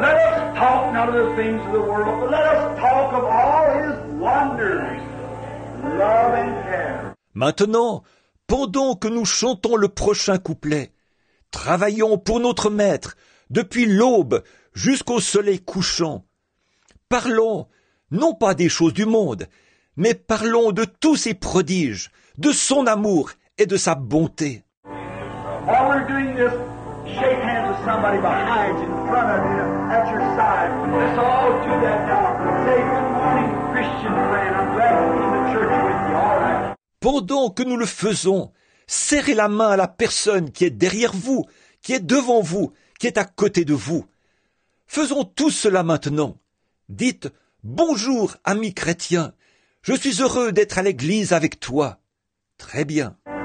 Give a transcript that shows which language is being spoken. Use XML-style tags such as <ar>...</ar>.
<en>Let us talk not of the things of the world, but let us talk of all His wonders, love and care.</en> <fr>Maintenant, pendant que nous chantons le prochain couplet, travaillons pour notre Maître depuis l'aube jusqu'au soleil couchant. Parlons non pas des choses du monde, mais parlons de tous ses prodiges, de son amour et de sa bonté.</fr> <en>While we're doing this, shake hands with somebody behind you, in front of you, at your side. Let's all do that now. Say good morning, Christian friend. I'm glad to be in the church with you. All right.</en> <fr>Pendant que nous le faisons, serrez la main à la personne qui est derrière vous, qui est devant vous, qui est à côté de vous. Faisons tout cela maintenant. Dites « Bonjour, ami chrétien, je suis heureux d'être à l'église avec toi. » Très bien.</fr>